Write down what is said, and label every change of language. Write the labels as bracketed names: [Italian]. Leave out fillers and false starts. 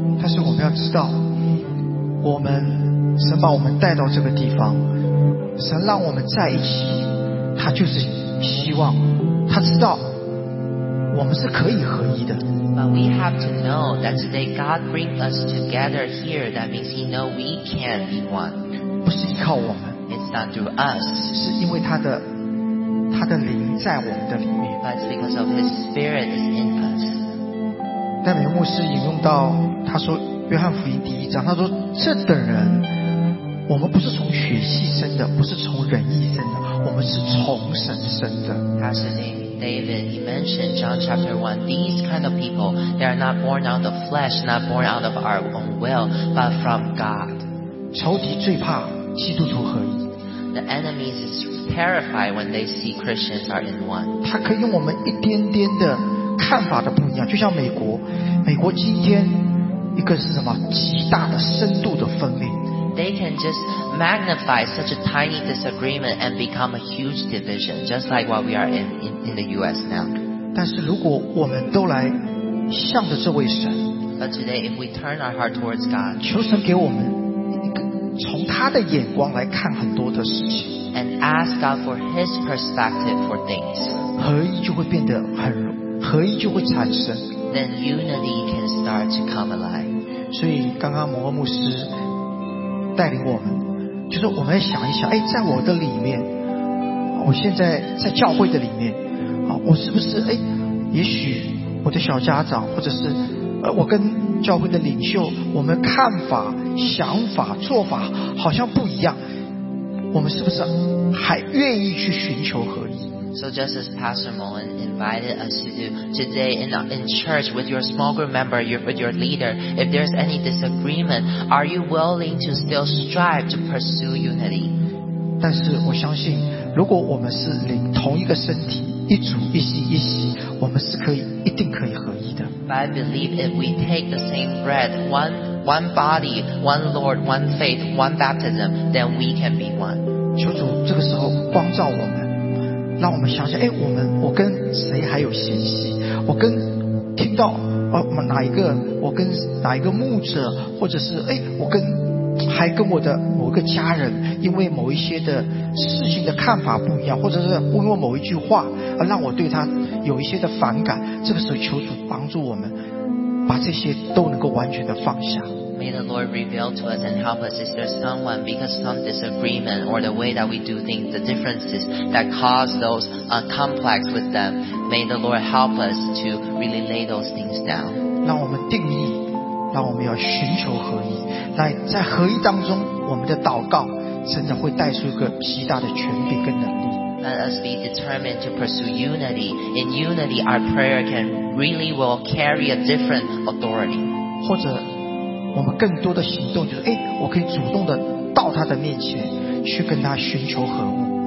[Chinese] 但是我们要知道，我们神把我们带到这个地方，神让我们在一起，他就是希望，他知道我们是可以合一的。 [English] But we have to know that today God brings us together here. That means He knows we can be one. [Chinese] 不是依靠我们。 [English] It's not through us. [Chinese] 是因为他的灵在我们的里面。 [English] But it's because of His Spirit is in us. [Chinese] 戴美牧师引用到他说《约翰福音》第一章，他说这等人，我们不是从血气生的，不是从人意生的，我们是从神生的。 [English] Pastor David, he mentioned John chapter 1, these kind of people, they are not born out of flesh, not born out of our own will, but from God. [Chinese] 仇敌最怕基督徒合一。 [English] The enemies is terrified when they see Christians are in one. [Chinese] 他可以用我们一点点的看法的不一样，就像美国今天一个是什么极大的深度的分裂。 [English] They can just magnify such a tiny disagreement and become a huge division, just like what we are in the U.S. now. [Chinese] 但是如果我们都来向着这位神， [English] But today, if we turn our heart towards God, [Chinese] 求神给我们从他的眼光来看很多的事情， [English] and ask God for His perspective for things, [Chinese] 合一就会变得很容易，合一就会产生， [English] then unity can start to come alive. [Chinese] 所以刚刚摩诃牧师带领我们，就是我们要想一想，哎，在我的里面，我现在在教会的里面，啊，我是不是哎，也许我的小家长，或者是我跟教会的领袖，我们看法、想法、做法好像不一样，我们是不是还愿意去寻求合一？ [English] So just as Pastor Mullen invited us to do today in church with your small group member, with your leader, if there's any disagreement, are you willing to still strive to pursue unity? [Chinese] 但是我相信，如果我们是灵同一个身体，一主一心一息，我们是可以一定可以合一的。 [English] But I believe if we take the same breath, one body, one Lord, one faith, one baptism, then we can be one. [Chinese] 求主这个时候光照我们。让我们想想，哎，我跟谁还有嫌隙？我跟听到哪一个？我跟哪一个牧者？或者是哎，我跟还跟我的某个家人，因为某一些的事情的看法不一样，或者是因为某一句话而让我对他有一些的反感。这个时候，求主帮助我们，把这些都能够完全的放下。 [English] May the Lord reveal to us and help us if there's someone because of some disagreement or the way that we do things, the differences that cause those complex with them. May the Lord help us to really lay those things down. [Chinese] 让我们定义，让我们要寻求合一。来，在合一当中，我们的祷告真的会带出一个极大的权柄跟能力。 [English] Let us be determined to pursue unity. In unity, our prayer can really will carry a different authority. [Chinese] 或者我们更多的行动就是，哎，我可以主动的到他的面前去跟他寻求和睦。